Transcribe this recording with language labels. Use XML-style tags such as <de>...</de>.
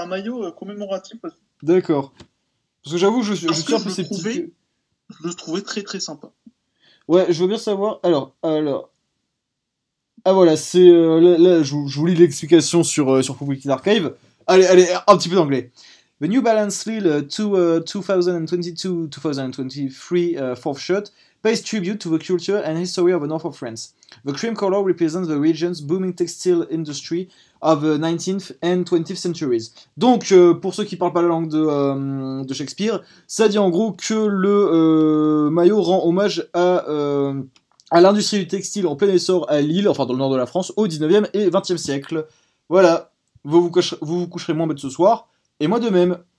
<fr>un maillot commémoratif. D'accord. Parce que j'avoue, je Parce suis que un peu sceptique. je le trouvais très très sympa. Ouais, je veux bien savoir. Alors. Ah, voilà, c'est. Là, je vous lis l'explication sur Public Archive. Allez, un petit peu d'anglais.</fr> <en>The New Balance Lille 2022-2023 Fourth Shot pays tribute to the culture and history of the North of France. The cream color represents the region's booming textile industry of the 19th and 20th centuries.</en> <fr>Donc, pour ceux qui parlent pas la langue de Shakespeare, ça dit en gros que le maillot rend hommage à l'industrie du textile en plein essor à Lille, enfin dans le nord de la France, au 19e et 20e siècle. Voilà. Vous vous coucherez moins bête ce soir, et moi de même.</fr>